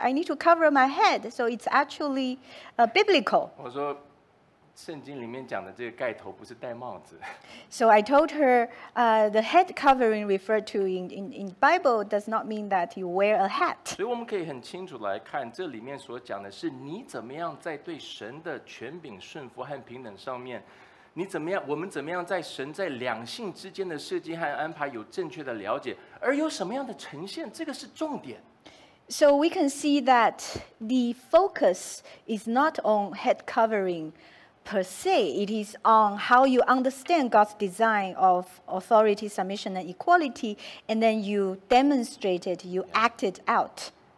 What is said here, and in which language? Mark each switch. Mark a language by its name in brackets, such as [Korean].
[English] I need to cover my head, so it's actually biblical." [Chinese] 我说。圣经里面讲的这个盖头不是戴帽子。 [English] So I told her, the head covering referred to in Bible does not mean that you wear a hat. [Chinese] 所以我们可以很清楚来看，这里面所讲的是你怎么样在对神的权柄、顺服和平等上面，你怎么样，我们怎么样在神在两性之间的设计和安排有正确的了解，而有什么样的呈现，这个是重点。 [English] So we can see that the focus is not on head covering per se. It is on how you understand God's design of authority, submission, and equality, and then you demonstrate it, you act it out.